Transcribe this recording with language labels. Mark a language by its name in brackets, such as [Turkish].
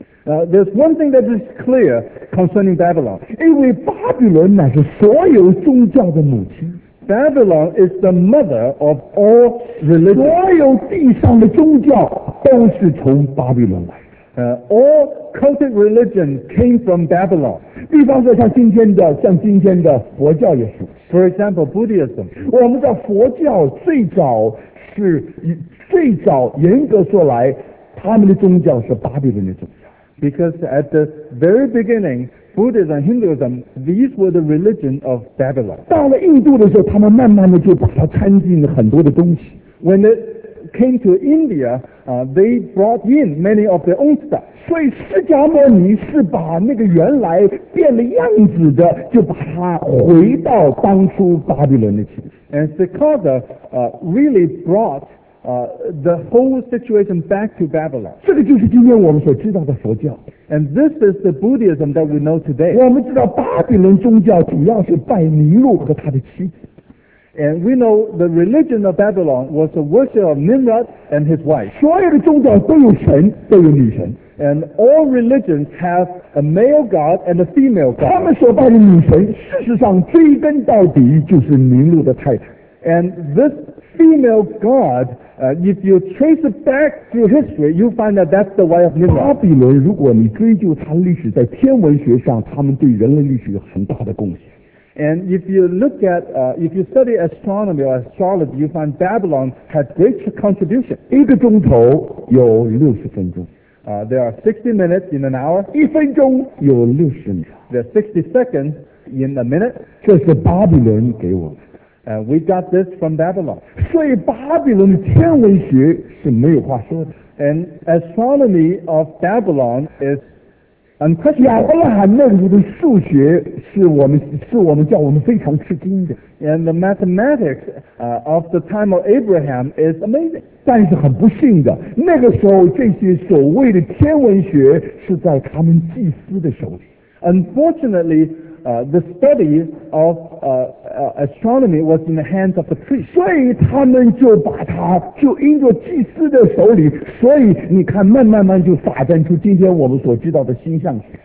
[English] There's one thing that is clear concerning Babylon. [Chinese] 因为巴比伦乃是所有宗教的母亲。 [English] Babylon is the mother of all religions. [Chinese] 所有地上的宗教都是从巴比伦来的。 [English] All cultic religion came from Babylon. [Chinese] 比方说像今天的佛教也是。 [English] For example, Buddhism. [Chinese] 我们的佛教最早严格说来，他们的宗教是巴比伦的宗教。 [English] Because at the very beginning, Buddhism and Hinduism, these were the religion of Babylon. [Chinese] 到了印度的时候，他们慢慢的就把它掺进很多的东西。 [English] When it came to India, they brought in many of their own stuff. [Chinese] 所以释迦牟尼是把那个原来变了样子的，就把它回到当初巴比伦的去。 [English] And Siddhartha, really brought the whole situation back to Babylon. [Chinese] 这个就是今天我们所知道的佛教。 [English] And this is the Buddhism that we know today. [Chinese] 我们知道巴比伦宗教主要是拜尼禄和他的妻子。 [English] And we know the religion of Babylon was the worship of Nimrod and his wife. [Chinese] 所有的宗教都有神，都有女神。 [English] And all religions have a male god and a female god. [Chinese] 他们所拜的女神，事实上追根到底就是尼禄的太太。 [English] And this female god,if you trace it back through history, you find that that's the wife of Nimrod. [Chinese] 巴比伦，如果你追究它历史，在天文学上，他们对人类历史有很大的贡献。 [English] And if you look at, if you study astronomy or astrology, you find Babylon had great contribution. [Chinese] 一个钟头有六十分钟。 [English] There are 60 minutes in an hour. [Chinese] 一分钟有六十秒。 [English] There are 60 seconds in a minute. [Chinese] 这是巴比伦给我们。 [English] And we got this from Babylon. [Chinese] 所以巴比伦的天文学是没有话说的。 [English] And astronomy of Babylon is [Chinese] 亚伯拉罕那里的数学是我们叫我们非常吃惊的。 [English] And the mathematics, of the time of Abraham is amazing. [Chinese] 但是很不幸的，那个时候这些所谓的天文学是在他们祭司的手里。 [English] Unfortunately, the study of astronomy was in the hands of the priests. [Chinese] 所以他们就把它就因着祭司的手里，所以你看慢慢就发展出今天我们所知道的星象学。